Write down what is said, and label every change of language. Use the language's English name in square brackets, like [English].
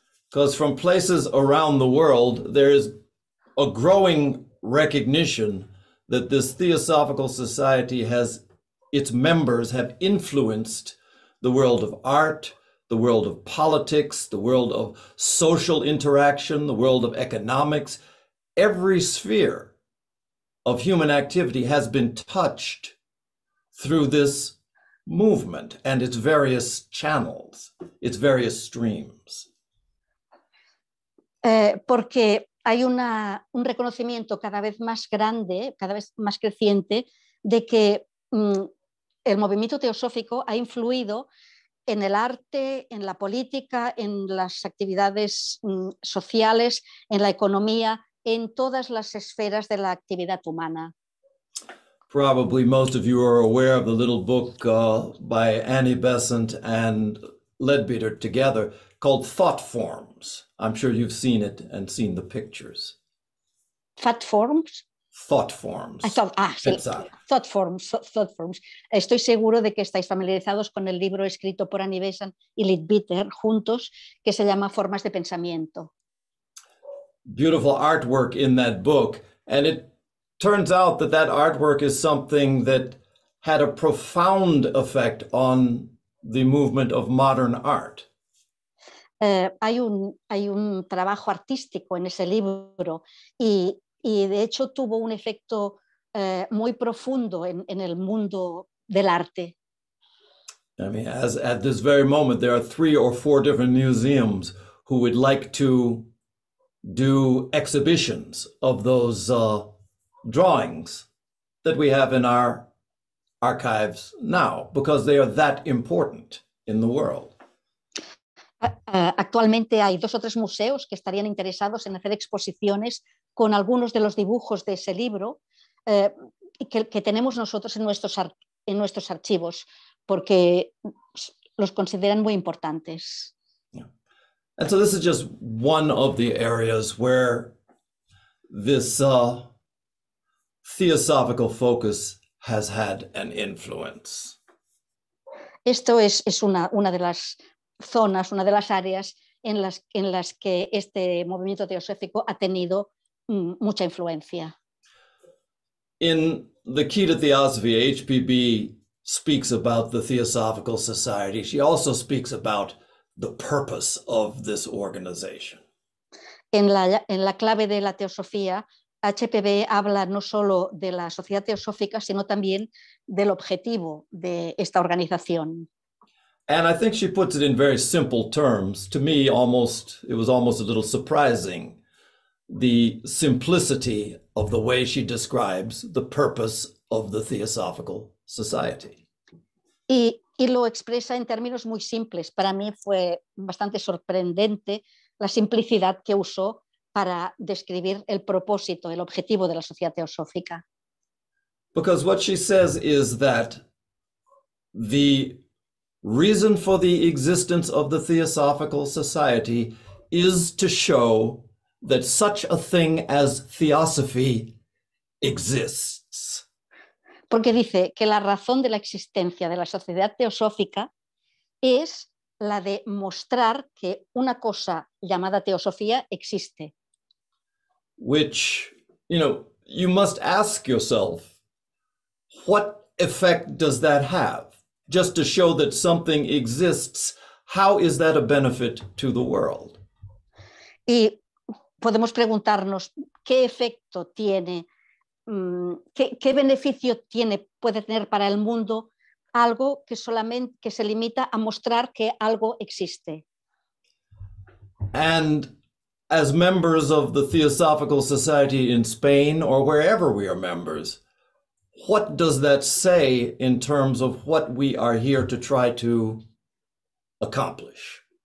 [English] Because from places around the world, there is a growing recognition that this Theosophical Society has, its members have influenced the world of art, the world of politics, the world of social interaction, the world of economics. Every sphere of human activity has been touched through this movement and its various channels, its various streams. [Spanish] Porque hay un reconocimiento cada vez más grande, cada vez más creciente, de que el movimiento teosófico ha influido en el arte, en la política, en las actividades sociales, en la economía, en todas las esferas de la actividad humana. [English] Probably most of you are aware of the little book by Annie Besant and Leadbeater together called Thought Forms. I'm sure you've seen it and seen the pictures. Thought Forms? Thought Forms. Thought Forms. [Spanish] Estoy seguro de que estáis familiarizados con el libro escrito por Annie Besant y Leadbeater juntos, que se llama Formas de Pensamiento. [English] Beautiful artwork in that book. And it turns out that that artwork is something that had a profound effect on the movement of modern art. [Spanish] Hay un trabajo artístico en ese libro, y de hecho tuvo un efecto muy profundo en el mundo del arte. [English] I mean, as at this very moment, there are three or four different museums who would like to do exhibitions of those drawings that we have in our archives now, because they are that important in the world. [Spanish] Actualmente hay dos o tres museos que estarían interesados en hacer exposiciones con algunos de los dibujos de ese libro que tenemos nosotros en nuestros archivos, porque los consideran muy importantes. [English] Yeah. And so this is just one of the areas where this theosophical focus has had an influence. [Spanish] Esto es una de las zonas, una de las áreas en las que este movimiento teosófico ha tenido mucha influencia. [English] In The Key to Theosophy, HPB speaks about the Theosophical Society. She also speaks about the purpose of this organization. [Spanish] En la clave de la teosofía, HPB habla no solo de la sociedad teosófica, sino también del objetivo de esta organización. [English] And I think she puts it in very simple terms. To me, it was almost a little surprising, the simplicity of the way she describes the purpose of the Theosophical Society. [Spanish] Y lo expresa en términos muy simples. Para mí fue bastante sorprendente la simplicidad que usó para describir el propósito, el objetivo de la sociedad teosófica. [English] Because what she says is that the reason for the existence of the Theosophical Society is to show that such a thing as theosophy exists. [Spanish] Porque dice que la razón de la existencia de la sociedad teosófica es la de mostrar que una cosa llamada teosofía existe. [English] Which, you know, you must ask yourself, what effect does that have? Just to show that something exists, how is that a benefit to the world? [Spanish] Y podemos preguntarnos qué efecto tiene, qué beneficio tiene, puede tener para el mundo algo que se limita a mostrar que algo existe. [English] And as members of the Theosophical Society in Spain or wherever we are members, what does that say in terms of what we are here to try to accomplish?